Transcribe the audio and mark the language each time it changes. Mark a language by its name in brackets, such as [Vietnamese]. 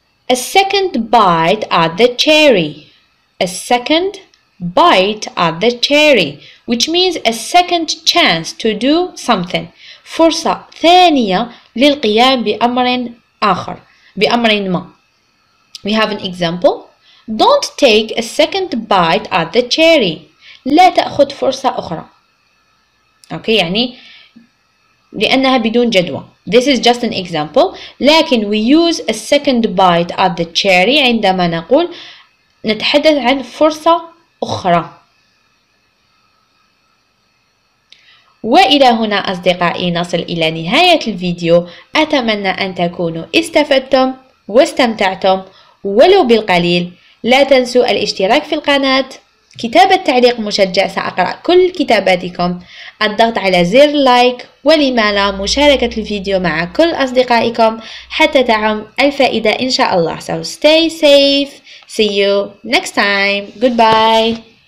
[English] A second bite at the cherry. A second bite at the cherry, which means a second chance to do something. [Arabic] فرصة ثانية للقيام بأمر آخر بأمر ما. [English] We have an example. Don't take a second bite at the cherry. [Arabic] لا تأخذ فرصة أخرى. Okay, يعني لأنها بدون جدوى. [English] This is just an example. [Arabic] لكن [English] we use a second bite at the cherry [Arabic] عندما نقول نتحدث عن فرصة أخرى. وإلى هنا أصدقائي نصل إلى نهاية الفيديو. أتمنى أن تكونوا استفدتم واستمتعتم ولو بالقليل. لا تنسوا الاشتراك في القناة، كتابة تعليق مشجع سأقرأ كل كتاباتكم، الضغط على زر لايك، ولما لا مشاركة الفيديو مع كل أصدقائكم حتى تعم الفائدة إن شاء الله. [English] So stay safe. See you next time. Goodbye.